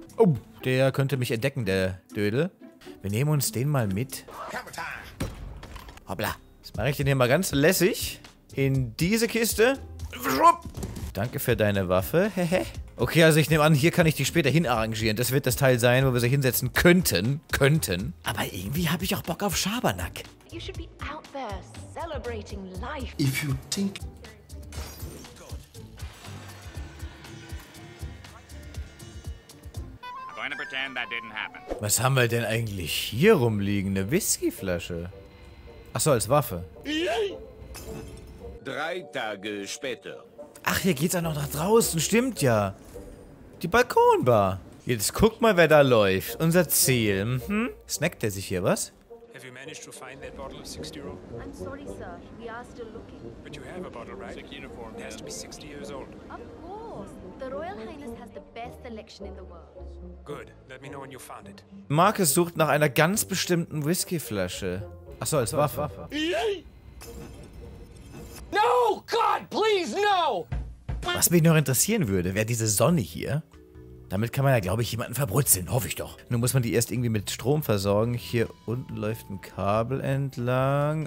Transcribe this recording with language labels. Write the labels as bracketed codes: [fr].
[de] Oh, der könnte mich entdecken, der Dödel. Wir nehmen uns den mal mit. Hoppla. Jetzt mache ich den hier mal ganz lässig in diese Kiste. Schwupp. Danke für deine Waffe. Hehe. Okay, also ich nehme an, hier kann ich die später hinarrangieren. Das wird das Teil sein, wo wir sie hinsetzen könnten. Könnten. Aber irgendwie habe ich auch Bock auf Schabernack. [en] You should be out there celebrating life. If you think... [de] Was haben wir denn eigentlich hier rumliegen? Eine Whiskyflasche. Achso, als Waffe. Drei Tage später. Ach, hier geht's auch noch nach draußen. Stimmt ja. Die Balkonbar. Jetzt guck mal, wer da läuft. Unser Ziel. Mhm. Snackt der sich hier was? [en] Have you managed to find that bottle of 60 year old? I'm sorry, sir. We are still looking. But you have a bottle, right? Sick uniform. It has to be 60 years old. Of course. The Royal Highness has the best selection in the world. Good. Let me know when you found it. [de] Marcus sucht nach einer ganz bestimmten Whiskyflasche. Achso, als Waffe. [en] No, God, please, no! [de] Was mich noch interessieren würde, wäre diese Sonne hier. Damit kann man ja, glaube ich, jemanden verbrutzeln. Hoffe ich doch. Nun muss man die erst irgendwie mit Strom versorgen. Hier unten läuft ein Kabel entlang.